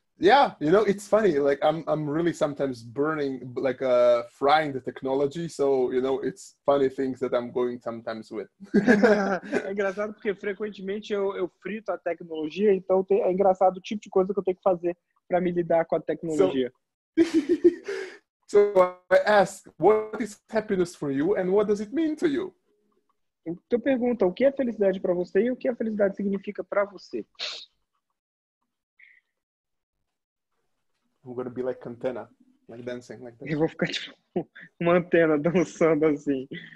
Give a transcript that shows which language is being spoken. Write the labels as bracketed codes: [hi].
[en] Yeah, you know, it's funny, like, I'm really sometimes burning, like, frying the technology, so, you know, it's funny things that I'm going sometimes with. [pt] É engraçado porque frequentemente eu frito a tecnologia, então é engraçado o tipo de coisa que eu tenho que fazer para me lidar com a tecnologia. [en] So, I ask, what is happiness for you and what does it mean to you? [pt] Então pergunta, o que é felicidade para você e o que a felicidade significa para você? [en] I'm gonna be like antenna, like dancing, like that. [pt] Eu vou ficar tipo uma antena dançando assim.